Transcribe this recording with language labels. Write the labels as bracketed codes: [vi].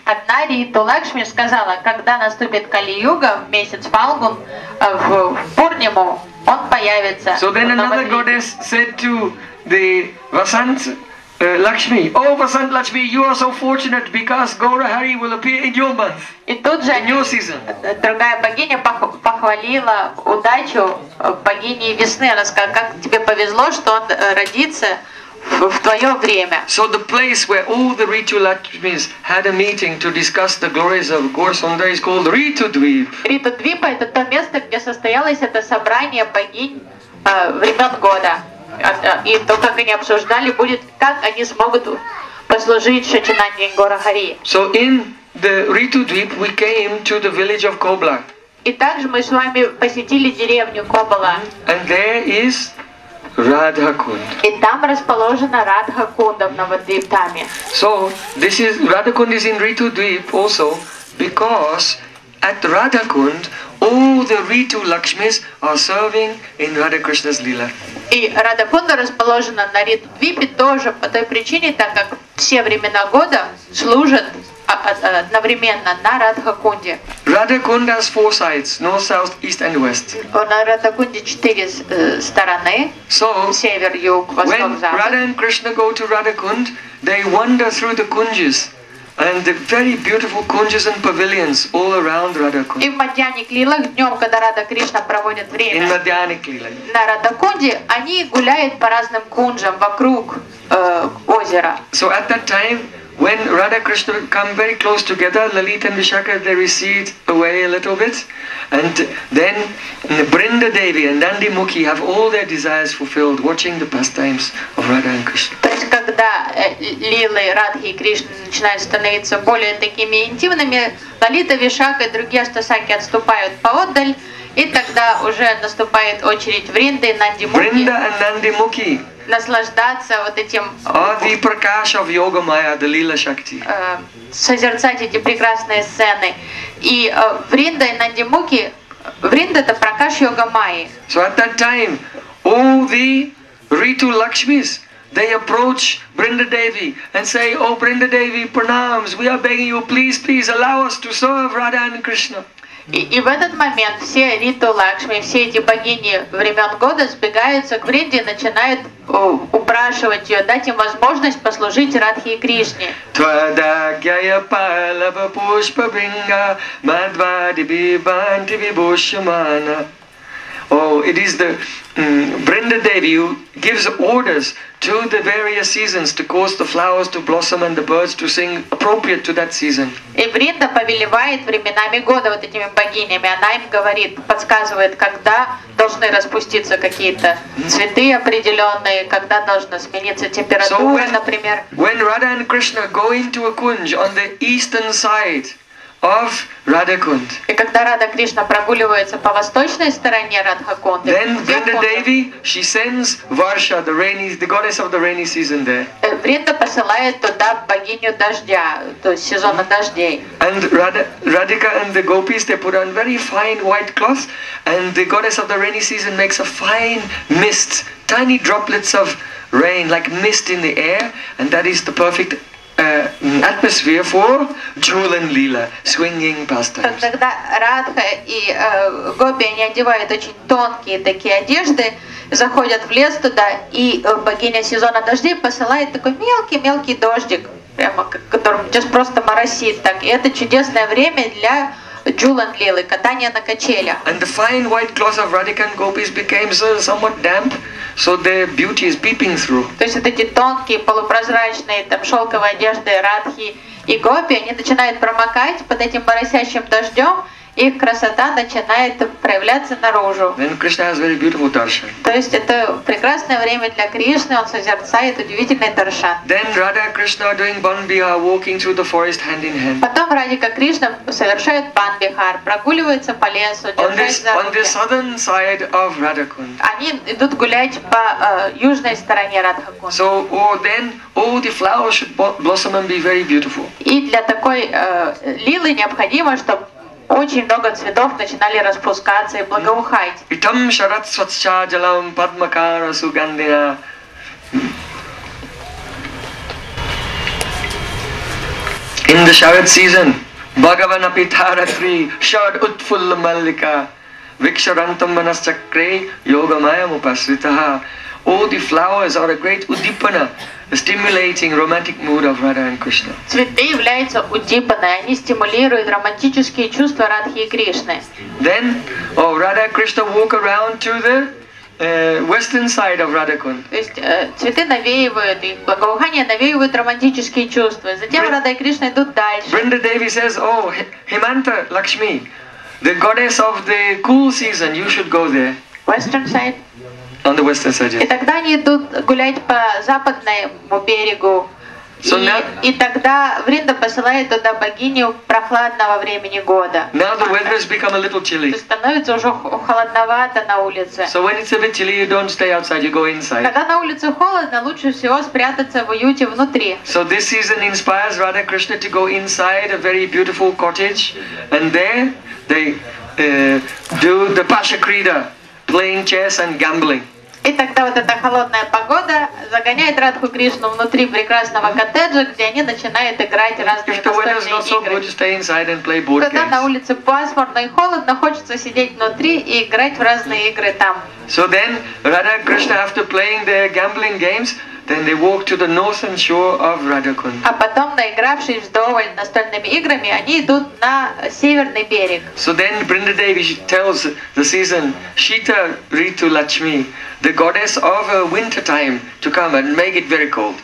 [ru] Одна Риту Лакшми сказала, когда наступит Кали Юга, месяц Фалгун, в Пурниму, он появится. [en] So then another goddess said to the Vasant. Lakshmi, oh Vasant Lakshmi, you are so fortunate because Gaurahari will appear in your month. [ru] И тут же [en] in your season. [ru] Другая богиня похвалила удачу богини весны. Она сказала, как тебе повезло, что он родится в твое время. [en] So the place where all the Ritu Lakshmis had a meeting to discuss the glories of Gaurasundara is called Ritudweep. [ru] Ритудвипа это то место, где состоялось это собрание богинь времен года. И то, как они обсуждали, будет, как они смогут послужить Шачинанде Гаурахари. [en] So in the Ritudweep we came to the village of Kobla. [ru] И также мы с вами посетили деревню Кобла. [en] And there is Radhakund. [ru] И там расположена Радхакунда в Навадвиптаме. [en] So this is Radhakund is in Ritudweep also because at Radhakund all the Ritu Lakshmis are serving in Radha Krishna's Lila. [ru] И Радхакунда расположена на Ритудвипе тоже по той причине, так как все времена года служат одновременно на Радхакунде. [en] Radhakund has four sides: north, south, east, and west. [ru] На Радхакунде четыре стороны: север, юг, восток, запад. [en] When Radha and Krishna go to Radhakund, they wander through the kunjas. And the very beautiful kunjas and pavilions all around Radhakund. In Madhyanik Lila, [ru] днём, когда Радха Кришна проводит время. [en] In Madhyanik Lila. [ru] На Радхакунде они гуляют по разным кунжам вокруг озера. [en] So at that time, when Radha Krishna come very close together, Lalita and Vishakha they recede away a little bit, and then Brinda Devi and Nandi Mukhi have all their desires fulfilled, watching the pastimes of Radha and Krishna. [ru] Когда лилы Радхи и Кришны начинают становиться более такими интимными, Лалита, Вишакха и другие астасаки отступают поодаль, и тогда уже наступает очередь Бринды и Нанди Мукхи. Бринда и Нанди Мукхи. Наслаждаться вот этим. Ави Пракаша в йога майя, да лила шакти. Созерцать эти прекрасные сцены. И Бринда и Нанди Мукхи. Бринда это Пракаш йога майи. [en] So at that time, all the Ritu Lakshmis. They approach Brinda Devi and say, "Oh, Brinda Devi, pranams. We are begging you, please, please allow us to serve Radha and Krishna." [ru] И в этот момент все Риту Лакшми, все эти богини времен года сбегаются к Бринде и начинают упрашивать ее, дать им возможность послужить Радхе и Кришне. [sa] Твадагья палава пушпа бринга мадвадиби бантиби бушмана. [en] Oh, it is the Brinda Devi who gives orders to the various seasons to cause the flowers to blossom and the birds to sing appropriate to that season. [ru] И Бринда повелевает временами года вот этими богинями. Она им говорит, подсказывает, когда должны распуститься какие-то цветы определенные, когда должна смениться температура, например. [en] When Radha and Krishna go into a kunj on the eastern side of Radhakund. [ru] И когда Рада Кришна прогуливается по восточной стороне Радхакунды, [en] then Vrinda Devi, she sends Varsha, the rainy, the goddess of the rainy season there. [ru] Vrinda посылает туда богиню дождя, то есть сезона дождей. [en] And Radhika and the gopis, they put on very fine white cloth, and the goddess of the rainy season makes a fine mist, tiny droplets of rain, like mist in the air, and that is the perfect atmosphere for Jhul and Leela, swinging pastimes. [ru] Тогда Радха и Гопи, они одевают очень тонкие такие одежды, заходят в лес туда, и богиня сезона дождей посылает такой мелкий-мелкий дождик, прямо, которым сейчас просто моросит так. И это чудесное время для [en] Jhul and Leela, [ru] катания на качелях. [en] And the fine white cloth of Radhika and Gopis became somewhat damp, so their beauty is peeping through. [ru] То есть эти тонкие полупрозрачные там шелковые одежды Радхи и Гопи, они начинают промокать под этим моросящим дождем, их красота начинает проявляться наружу. [en] Then Krishna has very beautiful darshan. [ru] То есть это прекрасное время для Кришны, он созерцает удивительный даршан. [en] Then Radha Krishna doing Banbihar, walking through the forest hand in hand. [ru] Потом Радика Кришна совершает Банбихар, прогуливается по лесу, держась за руки. [en] On the southern side of Radhakund. [ru] Они идут гулять по южной стороне Радхакунды. [en] So then all the flowers should blossom and be very beautiful. [ru] И для такой лилы необходимо, чтобы очень много цветов начинали распускаться и благоухать. [sa] Итам шарат свачча джалам падмакара сугандина. [en] In the [sa] шарат season, Бхагавана Питара Три, Шад Утфулла Маллика, Викшарантам Манасчакре, Йога Майя Мупасвитаха. [en] All the flowers are a great Удипана, stimulating romantic mood of Radha and Krishna. [ru] Цветы являются удипаной, они стимулируют романтические чувства Радхи и Кришны. [en] Then, oh, Radha and Krishna walk around to the western side of Radhakund. [ru] То есть цветы навеивают, их благоухание навеивают романтические чувства. Затем Радха и Кришна идут дальше. [en] Vrinda Devi says, oh, Himanta Lakshmi, the goddess of the cool season, you should go there. Western side? On the western side. [ru] И тогда они идут гулять по западному берегу. [en] So [ru] и, [en] now, [ru] и тогда Вринда посылает туда богиню прохладного времени года. [en] Now the weather has become a little chilly. [ru] Становится уже холодновато на улице. [en] So when it's a bit chilly, you don't stay outside, you go inside. [ru] Когда на улице холодно, лучше всего спрятаться в уюте внутри. [en] So this season inspires Radha Krishna to go inside a very beautiful cottage, and there they do the Pasha Krida, playing chess and gambling. [ru] И тогда вот эта холодная погода загоняет Радху Кришну внутри прекрасного коттеджа, где они начинают играть разные настольные игры. [en] So good, [ru] когда на улице пасмурно и холодно, хочется сидеть внутри и играть в разные игры там. [en] So then Radha Krishna, after playing their gambling games, then they walk to the northern shore of Radhakund. [ru] А потом, наигравшись вдоволь настольными играми, они идут на северный берег. [en] So then Vrinda Devi tells the season, Shita Ritu Lakshmi, the goddess of winter time, to come and make it very cold.